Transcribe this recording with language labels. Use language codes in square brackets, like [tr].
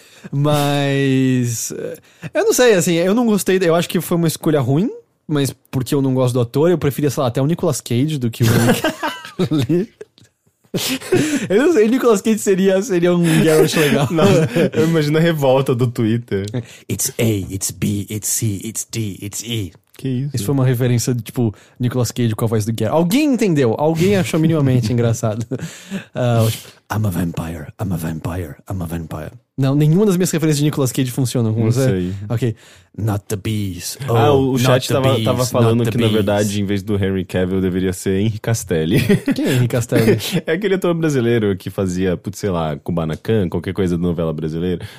[pt] Mas eu não sei, assim, eu não gostei, eu acho que foi uma escolha ruim. Mas porque eu não gosto do ator, eu preferia, sei lá, até o Nicolas Cage do que o Henry Cavill. Eu não sei, Nicolas Cage seria um Geralt legal. Não, eu imagino a revolta do Twitter. [en] It's A, it's B, it's C, it's D, it's E. [pt] Que isso? Isso foi uma referência de, tipo, Nicolas Cage com a voz do Geralt. Alguém entendeu, alguém achou minimamente engraçado. [en] I'm a vampire, I'm a vampire, I'm a vampire. [pt] Não, nenhuma das minhas referências de Nicolas Cage funcionam com você. Não sei. [en] Ok. Not the bees. Oh, ah, [pt] o chat tava falando que, na verdade, em vez do Henry Cavill, deveria ser Henry Castelli. Quem é Henry Castelli? É aquele ator brasileiro que fazia, putz, sei lá, Kubanacan, qualquer coisa de novela brasileira.